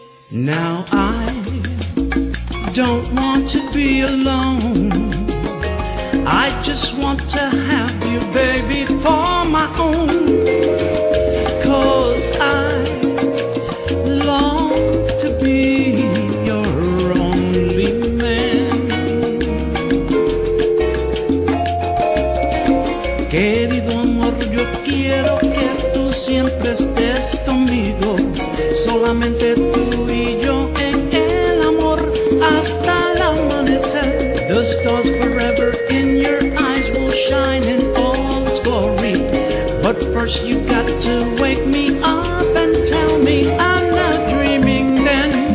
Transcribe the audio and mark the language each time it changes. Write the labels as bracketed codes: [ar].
[en] Now I don't want to be alone, I just want to have you, baby, for my own. Cause I long to be your only man. [es] Querido amor, yo quiero que tú siempre estés conmigo. Solamente tú y yo en el amor hasta el amanecer. [en] The stars forever in your eyes will shine in all its glory. But first you got to wake me up and tell me I'm not dreaming then.